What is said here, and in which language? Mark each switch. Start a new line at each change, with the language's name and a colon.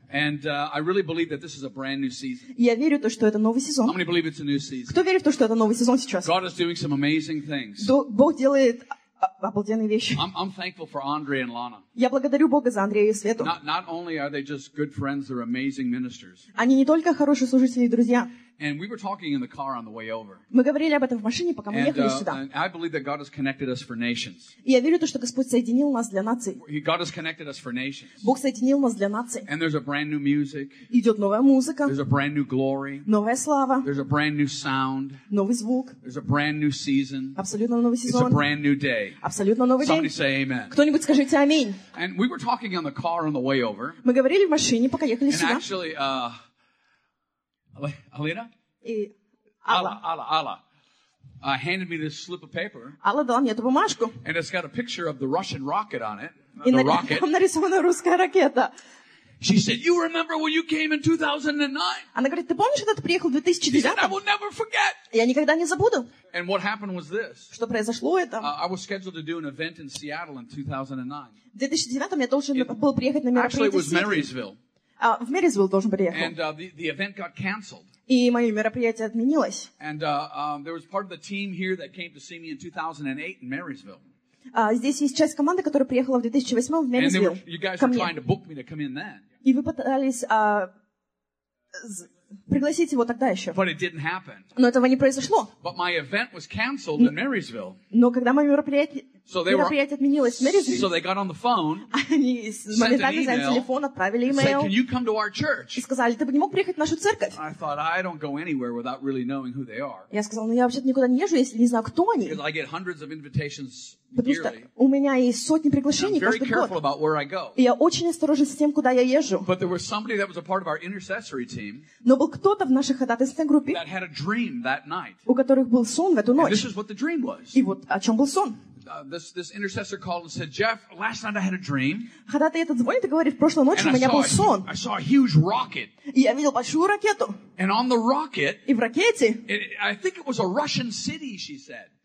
English: And I really believe that this is a brand new season.
Russian: Я верю в то, что это новый сезон.
English: How many believe it's a new season?
Russian: Кто верит в то, что это новый сезон сейчас?
English: God is doing some amazing things.
Russian: Бог делает обалденные вещи.
English: I'm thankful for Andre and Lana.
Russian: Я благодарю Бога за Андрея и Свету.
English: Not only are they just good friends, they're amazing ministers.
Russian: Они не только хорошие служители и друзья.
English: And we were talking in the car on the way over.
Russian: Мы говорили об этом в машине, пока мы ехали сюда.
English: And I believe that God has connected us for nations.
Russian: Я верю в то, что Господь соединил нас для наций.
English: God has connected us for nations.
Russian: Бог соединил нас для наций.
English: And there's a brand new music.
Russian: Идет новая музыка.
English: There's a brand new glory.
Russian: Новая слава.
English: There's a brand new sound.
Russian: Новый звук.
English: There's a brand new season.
Russian: Абсолютно новый сезон.
English: It's a brand new day.
Russian: Абсолютно новый день.
English: Somebody say amen.
Russian: Кто-нибудь скажите аминь.
English: And we were talking in the car on the way over.
Russian: Мы говорили в машине, пока ехали сюда.
English: And actually, Alina?
Russian: Алла.
English: Handed me this slip of paper.
Russian: Алла дала мне эту бумажку.
English: And it's got a picture of the Russian rocket on it.
Russian: Там нарисована русская ракета.
English: She said, "You remember when you came in 2009?"
Russian: Она говорит, ты помнишь, когда ты приехал в 2009?
English: She said, "I will never forget."
Russian: Я никогда не забуду.
English: And what happened was this?
Russian: Что произошло это?
English: I was scheduled to do an event in Seattle in 2009.
Russian: В 2009 я должен был приехать на мероприятие.
English: Actually, it was Marysville.
Russian: В Мэрисвилл должен был приехать.
English: And the event got canceled.
Russian: И мое мероприятие отменилось.
English: And there was part of the team here that came to see me in 2008 in Marysville.
Russian: Здесь есть часть команды, которая приехала в 2008 в Мэрисвилл.
English: And you guys were trying to book me to come in then.
Russian: И вы пытались пригласить его тогда еще.
English: But it didn't happen.
Russian: Но этого не произошло.
English: But my event was canceled in Marysville.
Russian: Но когда мое мероприятие отменилось в Мэрисвилл,
English: so they got on the phone,
Russian: они моментально взяли телефон, отправили email,
English: said, "Can you come to our church?"
Russian: И сказали, ты бы не мог приехать в нашу церковь?
English: I thought, I don't go anywhere without really knowing who they are.
Russian: Я сказал, ну я вообще-то никуда не езжу, если не знаю, кто они.
English: Because I get hundreds of invitations yearly.
Russian: Потому что у меня есть сотни приглашений каждый год.
English: I'm very careful about where I go.
Russian: И я очень осторожен с тем, куда я езжу.
English: But there was somebody that was a part of our intercessory team.
Russian: Но был кто-то в нашей ходатайственной группе,
English: that had a dream that night.
Russian: У которых был сон в эту ночь.
English: And this is what the dream was.
Russian: И вот о чем был сон.
English: This intercessor called and said, "Jeff, last night I had a dream."
Russian: Ходатай этот звонит и говорит, в прошлой ночи у меня был сон.
English: I saw a huge rocket.
Russian: И я видел большую ракету.
English: And on the rocket.
Russian: И в ракете.
English: I think it was a Russian city, she said.